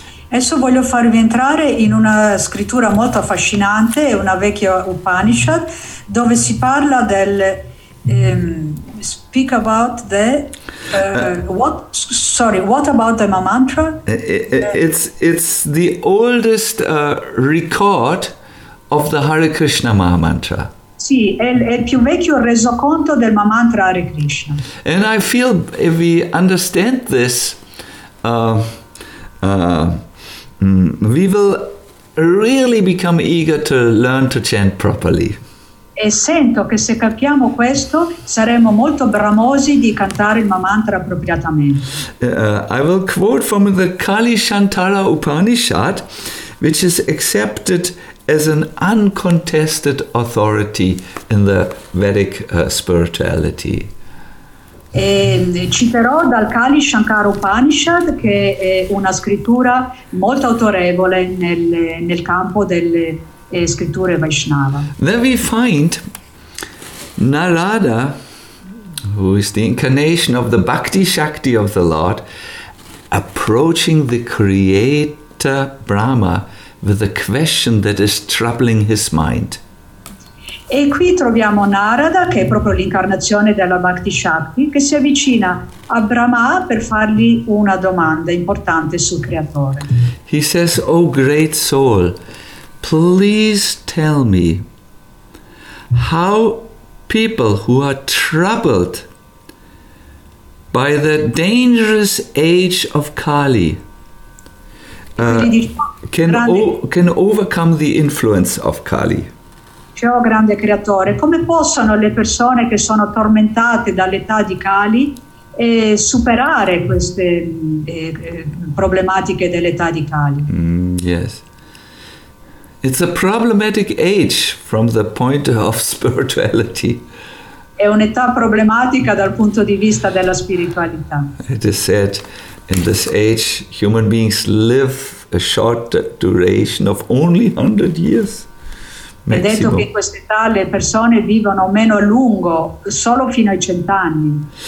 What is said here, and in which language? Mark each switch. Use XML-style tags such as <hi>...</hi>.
<it>Adesso voglio farvi entrare in una scrittura molto affascinante, una vecchia Upanishad, dove si parla del</it> <en>speak about the what about the mantra? It's the oldest record of the Hare Krishna Mahamantra.</en> <it>Sì, è il più vecchio resoconto del Mahamantra Hare Krishna.</it> <en>And I feel if we understand this we will really become eager to learn to chant properly.</en> <it>E sento che se capiamo questo saremo molto bramosi di cantare il mantra appropriatamente.</it> <en>I will quote from the Kali Shantara Upanishad, which is accepted as an uncontested authority in the Vedic spirituality.</en> <it>E citerò dal Kali Shankara Upanishad, che è una scrittura molto autorevole nel campo delle scritture Vaishnava.</it> <en>Then we find Narada, who is the incarnation of the Bhakti Shakti of the Lord, approaching the creator Brahma with a question that is troubling his mind.</en> <it>E qui troviamo Narada, che è proprio l'incarnazione della Bhakti Shakti, che si avvicina a Brahma per fargli una domanda importante sul creatore.</it> <en>He says, O great soul, please tell me how people who are troubled by the dangerous age of Kali can overcome the influence of Kali.</en> <it>Cioè, oh grande creatore, come possono le persone che sono tormentate dall'età di Kali superare queste problematiche dell'età di Kali?</it> <en>Yes. It's a problematic age from the point of spirituality.</en> <it>È un'età problematica dal punto di vista della spiritualità.</it> <en>It is said, in this age, human beings live a short duration of only 100 years.</en> <it>È detto che in quest'età le persone vivono meno a lungo, solo fino ai 100 anni.</it>